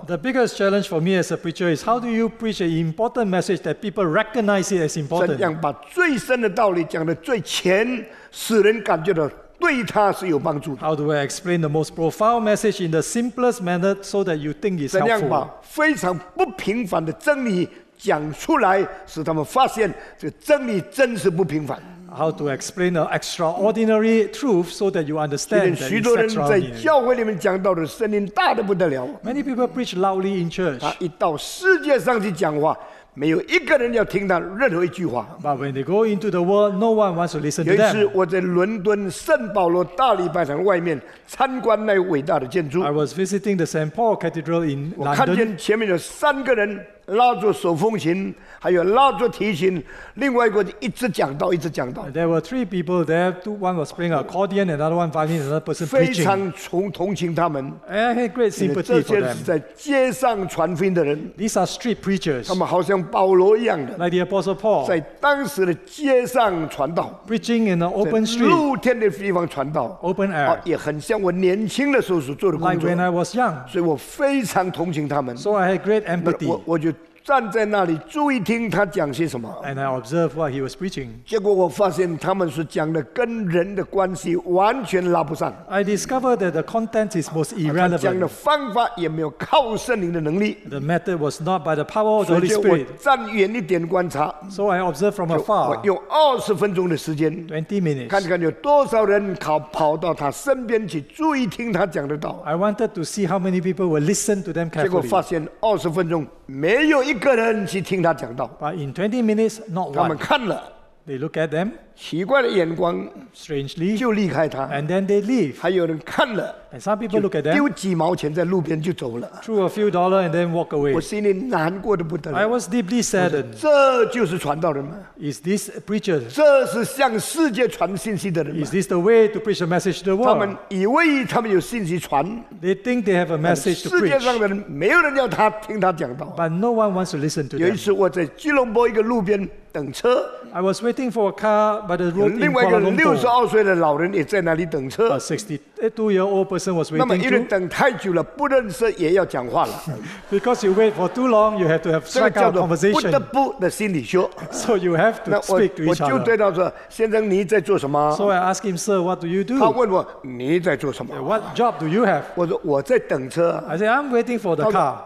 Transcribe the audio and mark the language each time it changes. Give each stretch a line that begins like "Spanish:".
English: The biggest challenge for me as a preacher is how do you preach an important message that people recognize it as important?
Chinese: 怎样把最深的道理讲得最浅，使人感觉到？对他是有帮助的。
English: How do I explain the most profound message in the simplest manner so that you think it's helpful?
Chinese: 怎样把非常不平凡的真理讲出来，使他们发现这个真理真是不平凡。
English: How to explain an extraordinary truth so that you understand that it's extraordinary?
Chinese: 许多人在教会里面讲到的声音大得不得了。
English: Many people preach loudly in church.
Chinese: 他一到世界上去讲话。没有一个人要听到任何一句话。
English: But when they go into the world, no one wants to listen to them.
Chinese: 有一次我在伦敦圣保罗大礼拜堂外面参观那伟大的建筑。
English: I was visiting the St. Paul Cathedral in London.
Chinese: 我看见前面有三个人拉着手风琴，还有拉着提琴，另外一个一直讲道，一直讲道。
English: There were three people there. One was playing accordion, another one violin, another person preaching.
Chinese: 非常同情他们。
English: And I had great sympathy for them.
Chinese: 这些是在街上传福音的人。
English: These are street preachers.
Chinese: 他们好像保罗一样的。
English: Like the Apostle Paul.
Chinese: 在当时的街上传道。
English: Preaching in an open street.
Chinese: 在露天的地方传道。
English: Open air.
Chinese: 也很像我年轻的时候所做的工作。
English: Like when I was young.
Chinese: 所以我非常同情他们。
English: So I had great empathy.
Chinese: 我站在那里注意听他讲些什么。
English: And I observed what he was preaching.
Chinese: 结果我发现他们是讲的跟人的关系完全拉不上。
English: I discovered that the content is most irrelevant.
Chinese: 讲的方法也没有靠圣灵的能力。
English: The method was not by the power of the Holy Spirit.
Chinese: 所以我站远一点观察。
English: So I observed from afar.
Chinese: 我用二十分钟的时间。
English: 20 minutes.
Chinese: 看看有多少人跑到他身边去注意听他讲的道。
English: I wanted to see how many people would listen to them carefully.
Chinese: 结果发现二十分钟没有一个人去听他讲道。
English: But in 20 minutes, not one.
Chinese: 他们看了。
English: They look at them.
Chinese: 奇怪的眼光。
English: Strangely.
Chinese: 就离开他。
English: And then they leave.
Chinese: 还有人看了。
English: And some people look at them.
Chinese: 丢几毛钱在路边就走了。
English: Threw a few dollars and then walk away.
Chinese: 我心里难过得不得了。
English: I was deeply saddened.
Chinese: 这就是传道人吗？
English: Is this a preacher?
Chinese: 这是向世界传信息的人吗？
English: Is this the way to preach a message to the world?
Chinese: 他们以为他们有信息传。
English: They think they have a message to preach.
Chinese: 世界上的人没有人要他听他讲道。
English: But no one wants to listen to them.
Chinese: 有一次我在吉隆坡一个路边等车。
English: I was waiting for a car by the road in Kuala Lumpur.
Chinese: 另外一个62岁的老人也在那里等车。
English: A 62 year old person was waiting.
Chinese: 那么因为等太久了，不认识也要讲话了。
English: Because you wait for too long, you have to have some kind of conversation.
Chinese: 这个叫做不得不的心理学。
English: So you have to speak to each other.
Chinese: 我就对他说：“先生，你在做什么？”
English: So I asked him, "Sir, what do you do?"
Chinese: 他问我：“你在做什么？”
English: What job do you have?
Chinese: 我说：“我在等车。”
English: I said, "I'm waiting for the car."